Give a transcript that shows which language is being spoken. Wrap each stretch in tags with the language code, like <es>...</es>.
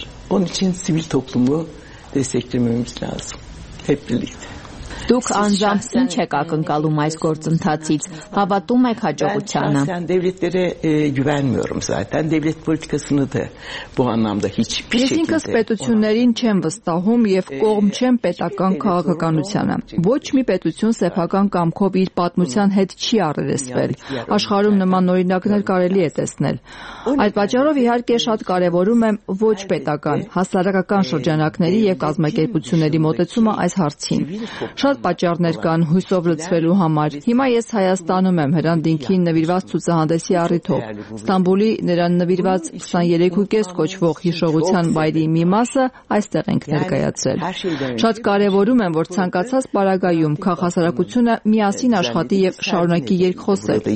<tr>Onun için sivil toplumu desteklememiz lazım. Hep birlikte.</tr> <hy>Դուք անձամբ ինչ եք ակնկալում այս գործընթացից, հավատում եք հաջողությանը։</hy> <tr>Ben devletlere güvenmiyorum zaten. Devlet politikasını da bu anlamda hiçbir şekilde.</tr> <hy>Ինքս պետություններին չեմ վստահում եւ կողմ չեմ պետական քաղաքականությանը։ Ոչ մի պետություն սեփական կամքով իր պատմության հետ չի առերեսվել։ Աշխարհում նման օրինակներ կարելի է տեսնել։ Այդ պատճառով իհարկե շատ կարևորում եմ ոչ պետական, հասարակական շրջանակների եւ կազմակերպությունների մոտեցումը այս հարցին։ Շատ պատճառներ կան հույսով լցվելու համար։ Հիմա ես Հայաստանում եմ Հրանտ Դինքին նվիրված ցուցահանդեսի առիթով։ Ստամբուլի նրան նվիրված 23.5 կոչվող հիշողության վայրի մի մասը այստեղ ենք ներկայացրել։ Շատ կարևորում եմ, որ ցանկացած պարագայում քաղաքասարակությունը միասին աշխատի եւ շարունակի երկխոսը։</hy>